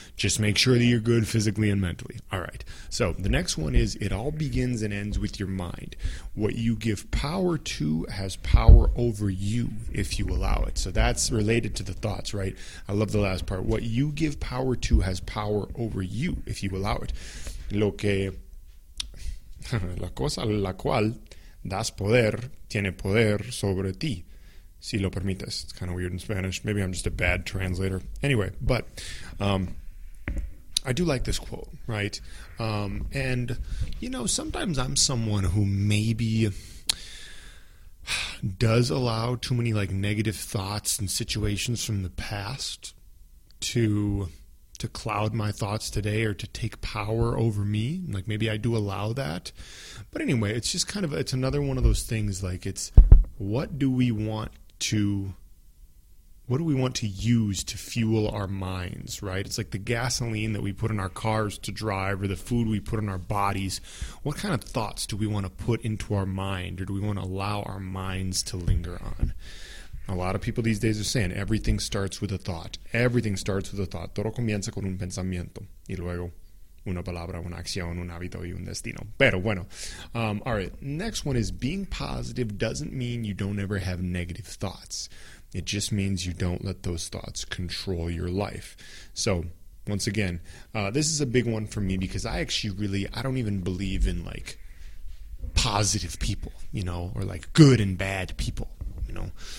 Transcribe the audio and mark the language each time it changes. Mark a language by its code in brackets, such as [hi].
[en] Just make sure that you're good physically and mentally. All right. So the next one is, it all begins and ends with your mind. What you give power to has power over you if you allow it. So that's related to the thoughts, right? I love the last part. What you give power to has power over you if you allow it. [es] Lo que... La cosa la cual das poder tiene poder sobre ti, si lo permites. [en] It's kind of weird in Spanish. Maybe I'm just a bad translator. Anyway, but I do like this quote, right? And, you know, sometimes I'm someone who maybe does allow too many, like, negative thoughts and situations from the past to cloud my thoughts today or to take power over me. Like, maybe I do allow that. But anyway, it's just kind of, it's another one of those things, like, it's what do we want to, what do we want to use to fuel our minds, right? It's like the gasoline that we put in our cars to drive or the food we put in our bodies. What kind of thoughts do we want to put into our mind, or do we want to allow our minds to linger on? A lot of people these days are saying everything starts with a thought. Everything starts with a thought. [es] Todo comienza con un pensamiento. Y luego, una palabra, una acción, un hábito y un destino. Pero bueno. [en] All right. Next one is being positive doesn't mean you don't ever have negative thoughts. It just means you don't let those thoughts control your life. So, once again, this is a big one for me because I don't even believe in like positive people, you know, or like good and bad people, you know.